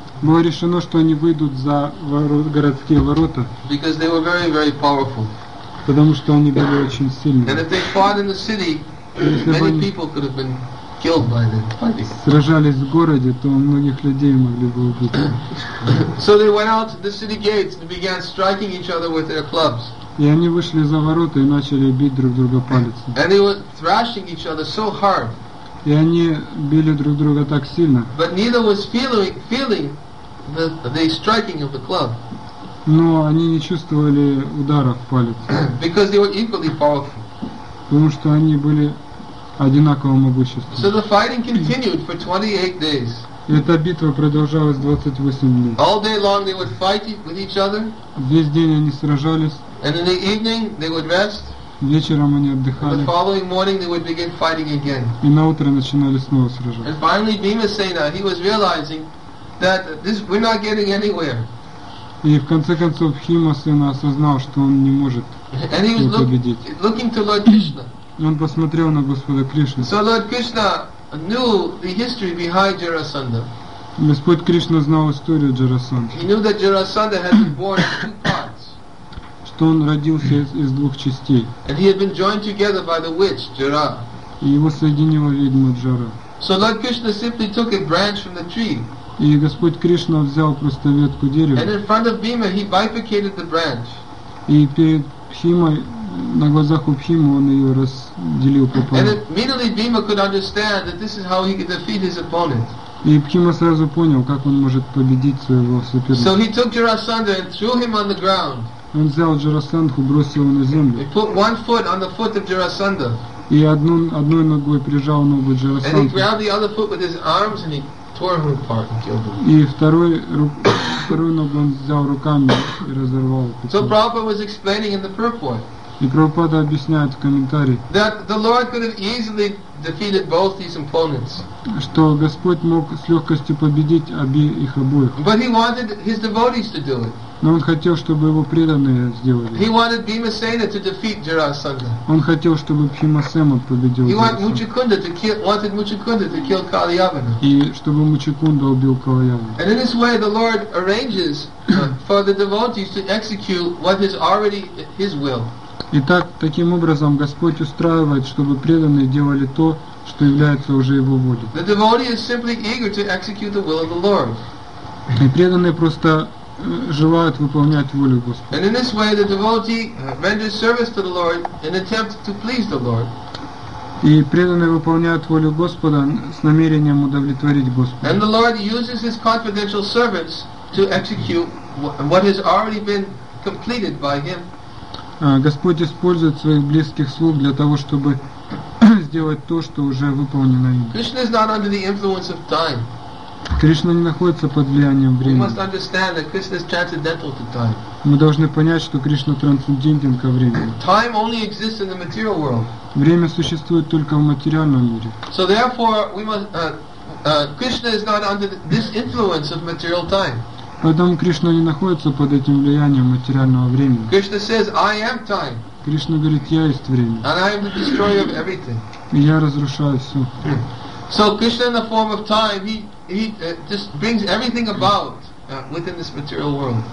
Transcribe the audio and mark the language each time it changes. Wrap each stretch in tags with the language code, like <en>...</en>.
<ru>Было решено, что они выйдут за городские ворота.</ru> <en>Because they were very, very powerful.</en> <ru>Потому что они были очень сильны.</ru> <en>And if they fought in the city, many people could have been killed by them.</en> <ru>Сражались в городе, то многих людей могли бы убить.</ru> <en>So they went out to the city gates and began striking each other with their clubs.</en> <ru>И они вышли за ворота и начали бить друг друга палец.</ru> <en>And they were thrashing each other so hard.</en> <ru>И они били друг друга так сильно.</ru> <en>But neither was feeling the striking of the club.</en> <ru>Но они не чувствовали удара в палец.</ru> <en>Because they were equally powerful.</en> <ru>Потому что они были одинаково могущественны.</ru> <en>So the fighting continued for 28 days.</en> <ru>Эта битва продолжалась 28 дней.</ru> <en>All day long they would fight with each other.</en> <ru>Весь день они сражались.</ru> <en>And in the evening they would rest.</en> <ru>Вечером они отдыхали.</ru> <en>And the following morning they would begin fighting again.</en> <ru>И на утро начинали снова сражаться.</ru> <en>And finally Bhimasena, he was realizing that this we're not getting anywhere.</en> <ru>И в конце концов Бхимасена осознал, что он не может победить.</ru> <en>And he was looking to Lord Krishna.</en> <ru>И он посмотрел на Господа Кришну.</ru> <en>So Lord Krishna knew the history behind Jarasandha.</en> <ru>Господь Кришна знал историю Джарасандхи.</ru> <en>He knew that Jarasandha had been born in two parts.</en> <ru>Что он родился из двух частей.</ru> <en>And he had been joined together by the witch Jara.</en> <ru>И его соединила ведьма Джара.</ru> <en>So Lord Krishna simply took a branch from the tree.</en> <ru>И Господь Кришна взял просто ветку дерева.</ru> <en>And in front of Bhima he bifurcated the branch.</en> <ru>И перед Бхимой на глазах у Бхимы он ее разделил пополам.</ru> <en>And immediately Bhima could understand that this is how he could defeat his opponent.</en> <ru>И Бхима сразу понял, как он может победить своего соперника.</ru> <en>So he took Jarasandha and threw him on the ground.</en> <ru>Он взял Джарасандху, бросил его на землю.</ru> <en>He put one foot on the foot of Jarasandha.</en> <ru>И одной ногой прижал ногу Джарасандху.</ru> <en>And he grabbed the other foot with his arms and he tore him apart and killed him.</en> <ru>И вторую ногу он взял руками и разорвал.</ru> <en>So Prabhupada was explaining in the purport.</en> <ru>И Прабхупада объясняет в комментарии,</ru> <en>that the Lord could have easily defeated both these opponents.</en> <ru>Что Господь мог с легкостью победить их обоих.</ru> <en>But he wanted his devotees to do it.</en> <ru>Но он хотел, чтобы его преданные сделали.</ru> <en>He wanted Bhimasena to defeat Jarasandha.</en> <ru>Он хотел, чтобы Бхимасена победил.</ru> <en>He wanted Muchikunda to kill Kalayavana.</en> <ru>И чтобы Мучикунда убил Калаявану.</ru> <en>And in this way, the Lord arranges for the devotees to execute what is already his will.</en> <ru>Итак, таким образом Господь устраивает, чтобы преданные делали то, что является уже Его волей.</ru> <en>The devotee is simply eager to execute the will of the Lord.</en> <ru>И преданные просто желают выполнять волю Господа.</ru> <en>And in this way, the devotee renders service to the Lord in attempt to please the Lord.</en> <ru>И преданные выполняют волю Господа с намерением удовлетворить Господа.</ru> <en>And the Lord uses His confidential servants to execute what has already been completed by Him.</en> <ru>Господь использует своих близких слуг для того, чтобы сделать то, что уже выполнено им.</ru> <en>Krishna is not under the influence of time.</en> <ru>Кришна не находится под влиянием времени.</ru> <en>We must understand that Krishna is transcendental to time.</en> <ru>Мы должны понять, что Кришна трансцендентен ко времени.</ru> <en>Time only exists in the material world.</en> <ru>Время существует только в материальном мире.</ru> <en>So therefore, we must Krishna is not under this influence of material time.</en> <ru>Поэтому Кришна не находится под этим влиянием материального времени.</ru> <en>Krishna says, I am time.</en> <ru>Кришна говорит, я есть время.</ru> <en>And I am the destroyer of everything.</en> <ru>И я разрушаю все.</ru> <en>So Krishna in the form of time, he just brings everything about within this material world.</en>